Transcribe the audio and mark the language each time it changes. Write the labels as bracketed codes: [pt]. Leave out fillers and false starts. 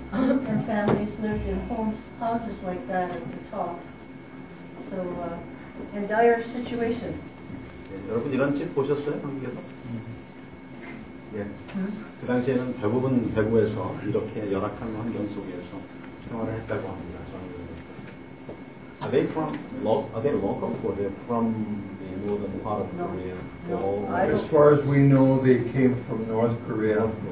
[en] Her families lived in houses like that at the top. So, in dire situation. [ko] 여러분 이런 집 보셨어요, 한국에서? 예. 그 당시에는 대부분 대구에서 이렇게 열악한 환경 속에서 생활을 했다고 합니다. [en] Are they local or are they from the northern part of Korea? As far as we know, they came from North Korea.